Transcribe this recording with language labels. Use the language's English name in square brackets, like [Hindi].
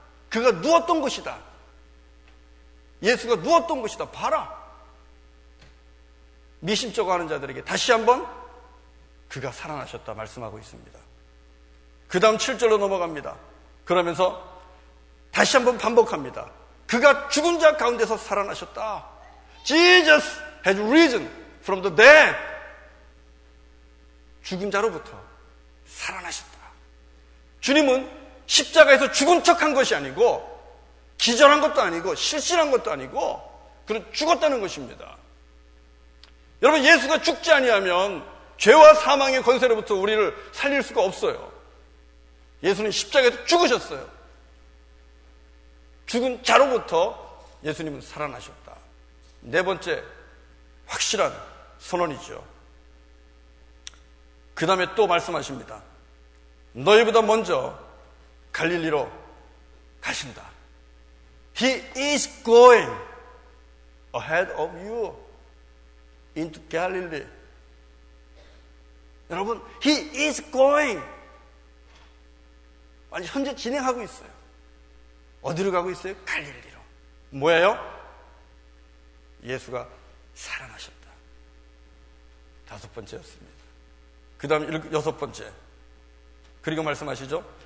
[Korean] 그가 누웠던 곳이다. 예수가 누웠던 곳이다. 봐라. 미심쩍어하는 자들에게 다시 한번 그가 살아나셨다 말씀하고 있습니다. 그 다음 7절로 넘어갑니다. 그러면서 다시 한번 반복합니다. 그가 죽은 자 가운데서 살아나셨다. [English] Jesus has risen from the dead. [Korean] 죽은 자로부터 살아나셨다. 주님은 십자가에서 죽은 척한 것이 아니고 기절한 것도 아니고 실신한 것도 아니고 그는 죽었다는 것입니다. 여러분, 예수가 죽지 아니하면 죄와 사망의 권세로부터 우리를 살릴 수가 없어요. 예수는 십자가에서 죽으셨어요. 죽은 자로부터 예수님은 살아나셨다. 네 번째 확실한 선언이죠. 그 다음에 또 말씀하십니다. 너희보다 먼저 갈릴리로 가신다. [English] He is going ahead of you into Galilee. [Korean] 여러분, [English] He is going. [Korean] 아니, 현재 진행하고 있어요. 어디로 가고 있어요? 갈릴리로. 뭐예요? 예수가 살아나셨다. 다섯 번째였습니다. 그 다음 여섯 번째. 그리고 말씀하시죠?